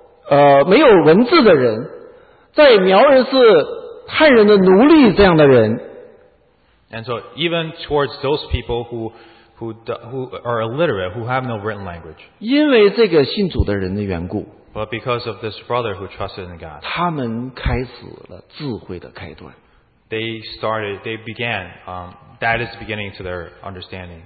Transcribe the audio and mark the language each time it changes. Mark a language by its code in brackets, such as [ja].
[zh] 而且因为信主的原因，那些没有知识的人，那些没有文字的人。在苗人是汉人的奴隶这样的人， [en] and so even towards those people who are illiterate, who have no written language, [zh] 因为这个信主的人的缘故， [en] but because of this brother who trusted in God, [zh] 他们开始了智慧的开端。 [en] They began, that is the beginning to their understanding.